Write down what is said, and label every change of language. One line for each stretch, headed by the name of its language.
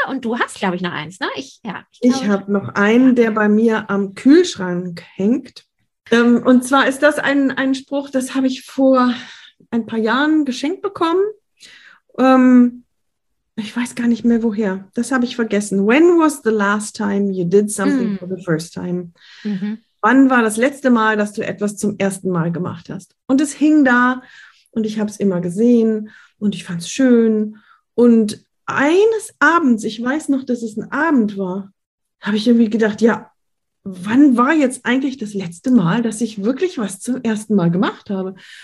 German: Und du hast, glaube ich, noch eins, ne? Ich Ich glaube, habe noch einen, der bei mir am Kühlschrank hängt. Und zwar ist das ein Spruch, das habe ich vor ein paar Jahren geschenkt bekommen. Ich weiß gar nicht mehr woher. Das habe ich vergessen.
English: When was the last time you did something for the first time?
German: Wann war das letzte Mal, dass du etwas zum ersten Mal gemacht hast? Und es hing da und ich habe es immer gesehen und ich fand es schön. Und eines Abends, ich weiß noch, dass es ein Abend war, habe ich irgendwie gedacht, ja, wann war jetzt eigentlich das letzte Mal, dass ich wirklich was zum ersten Mal gemacht habe?